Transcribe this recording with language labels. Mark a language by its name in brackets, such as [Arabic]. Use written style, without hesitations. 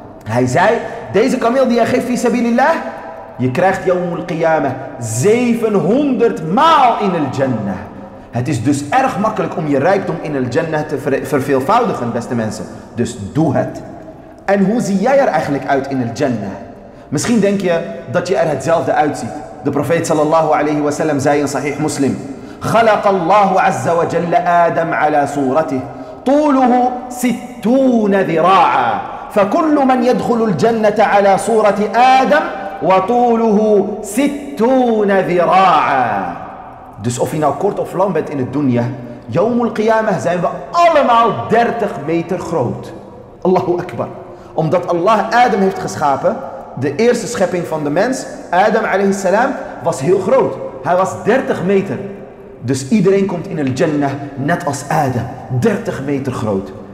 [Dutch] Hij zei: deze kameel die je geeft fi sabilillah, je krijgt yawm al-qiyamah 700 maal in al-jannah. Het is dus erg makkelijk om je rijkdom in al-jannah te verveelvoudigen, beste mensen. Dus doe het. En hoe zie jij er eigenlijk uit in al-jannah? Misschien denk je dat je er hetzelfde uitziet. De profeet sallallahu alayhi wa sallam zei in Sahih Muslim: [Arabic] خلق الله عز وجل آدم على صورته طوله 60 ذراعا فكل من يدخل الجنة على صورة آدم وطوله 60 ذراعا. [Dutch] Dus of je nou kort of lang bent in het dunya, yawm al-qiyamah zijn we allemaal 30 meter groot. Allahu Akbar. Omdat Allah Adam heeft geschapen, de eerste schepping van de mens, Adam alayhi salam, was heel groot. Hij was 30 meter. Dus iedereen komt in al-jannah net als Adam, 30 meter groot.